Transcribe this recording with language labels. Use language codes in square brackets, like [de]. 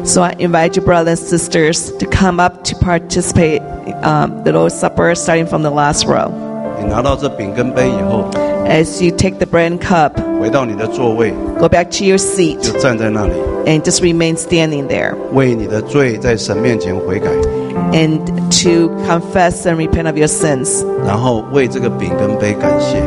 [en] So I invite you, brothers and sisters, to come up to participate the Lord's Supper, starting from the last row. [zh] 你拿到这饼跟杯以后 [en] ，as you take the bread and cup， [zh] 回到你的座位 [en] ，go back to your seat， [zh] 就站在那里 [en] ，and just remain standing there， [zh] 为你的罪在神面前悔改 [en] ，and to confess and repent of your sins， [zh] 然后为这个饼跟杯感谢